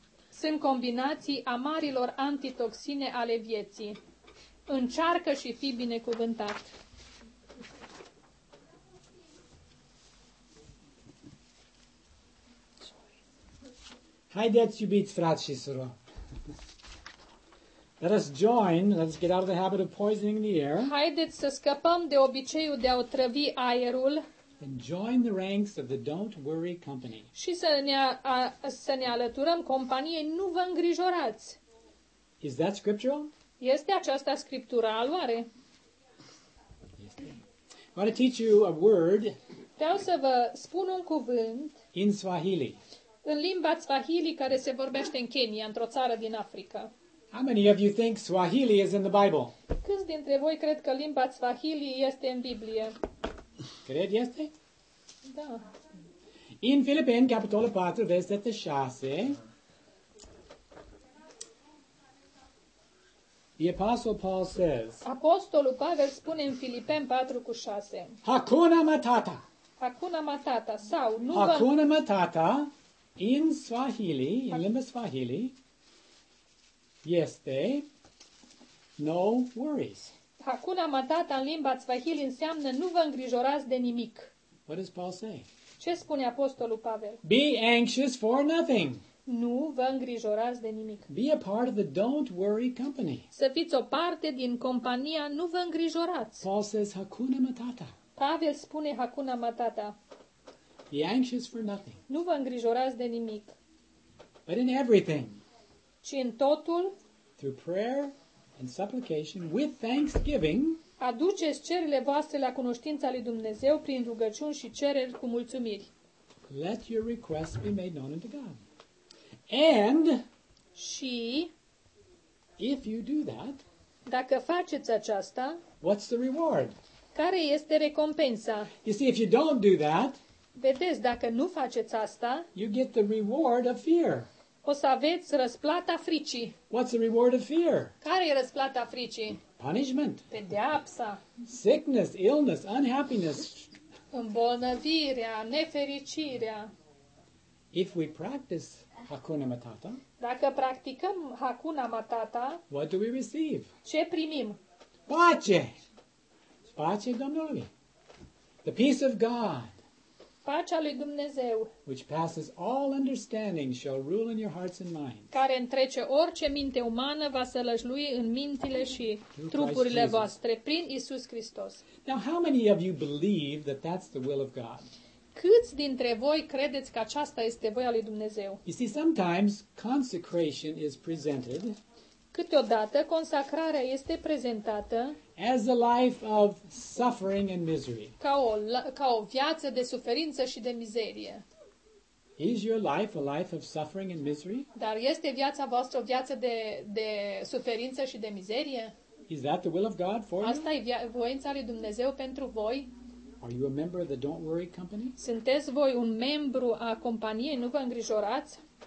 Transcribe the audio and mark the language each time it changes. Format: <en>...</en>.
<ro>Sunt combinații amarilor antitoxine ale vieții. Încearcă și fii binecuvântat. Haideți, iubiți frați și surori.</ro> <en>Let us join, let's get out of the habit of poisoning the air.</en> <ro>Haideți să scăpăm de obiceiul de a otrăvi aerul.</ro> <en>And join the ranks of the Don't Worry Company.</en> <ro>Și să ne alăturăm companiei Nu vă îngrijorați.</ro> <en>Is that scriptural?</en> <ro>Este aceasta scriptura aloare?</ro> <en>I want to teach you a word.</en> <ro>Vreau să vă spun un cuvânt.</ro> <en>In Swahili.</en> <ro>În limba Swahili care se vorbește în Kenya, într-o țară din Africa.</ro> <en>How many of you think Swahili is in the Bible?</en> <ro>Câți dintre voi cred că limba Swahili este în Biblie? Cred este? Da. În Filipeni, capitolul 4, versetul 6,</ro> <en>the Apostle Paul says,</en> <ro>Apostolul Pavel spune în Filipeni 4 cu 6,</ro> <sw>Hakuna Matata. Hakuna Matata.</sw> <ro>Sau, nu Hakuna Matata, in Swahili, in limba Swahili, este</ro> <en>no worries.</en> <ro>Hakuna Matata în limba Swahili înseamnă nu vă îngrijorați de nimic.</ro> <en>What does Paul say?</en> <ro>Ce spune Apostolul Pavel?</ro> <en>Be anxious for nothing.</en> <ro>Nu vă îngrijorați de nimic.</ro> <en>Be a part of the don't worry company.</en> <ro>Să fiți o parte din compania Nu vă îngrijorați.</ro> <en>Paul says Hakuna Matata.</en> <ro>Pavel spune Hakuna Matata.</ro> <en>Be anxious for nothing.</en> <ro>Nu vă îngrijorați de nimic.</ro> <en>But in everything.</en> <ro>Ci în totul.</ro> <en>Through prayer and supplication with thanksgiving.</en> <ro>Aduceți cererile voastre la cunoștința lui Dumnezeu prin rugăciuni și cereri cu mulțumiri.</ro> <en>Let your requests be made known unto God. And</en> <ro>și</ro> <en>if you do that,</en> <ro>dacă faceți aceasta,</ro> <en>what's the reward?</en> <ro>Care este recompensa?</ro> <en>You see, if you don't do that,</en> <ro>vedeți, dacă nu faceți asta,</ro> <en>you get the reward of fear.</en> <ro>O să aveți răsplata fricii.</ro> <en>What's the reward of fear?</en> <ro>Care e răsplata fricii?</ro> <en>Punishment.</en> <ro>Pedeapsa.</ro> <en>Sickness, illness, unhappiness.</en> <ro>Îmbolnăvirea, nefericirea.</ro> <en>If we practice Hakuna Matata,</en> <ro>dacă practicăm Hakuna Matata,</ro> <en>what do we receive?</en> <ro>Ce primim? Pace! Pace Domnului!</ro> <en>The peace of God,</en> <ro>pacea lui Dumnezeu,</ro> <en>which passes all understanding, shall rule in your hearts and minds,</en> <ro>care întrece orice minte umană, va sălășlui în mintile și trupurile voastre, prin Iisus Hristos.</ro> <en>Now, how many of you believe that that's the will of God?</en> <ro>Câți dintre voi credeți că aceasta este voia lui Dumnezeu?</ro> <en>You see, sometimes consecration is presented.</en> <ro>Câteodată consacrarea este prezentată</ro> <en>as a life of suffering and misery.</en> <ro>Ca o viață de suferință și de mizerie.</ro> <en>Is your life a life of suffering and misery?</en> <ro>Dar este viața voastră o viață de suferință și de mizerie?</ro> <en>Is that the will of God for you?</en> <ro>Asta e voința lui Dumnezeu pentru voi?</ro> <en>Are you a member of the Don't Worry Company?</en> <ro>Sunteți voi un membru a companiei, nu vă îngrijorați?</ro>